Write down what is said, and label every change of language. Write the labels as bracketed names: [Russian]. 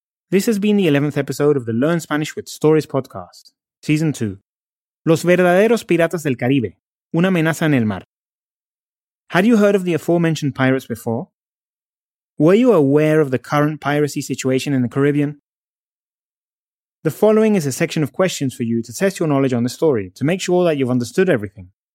[English] This has been the 11th episode of the Learn Spanish with Stories podcast, Season 2. [Spanish] Los verdaderos piratas del Caribe, una amenaza en el mar. [English] Had you heard of the aforementioned pirates before? Were you aware of the current piracy situation in the Caribbean? The following is a section of questions for you to test your knowledge on the story, to make sure that you've understood everything.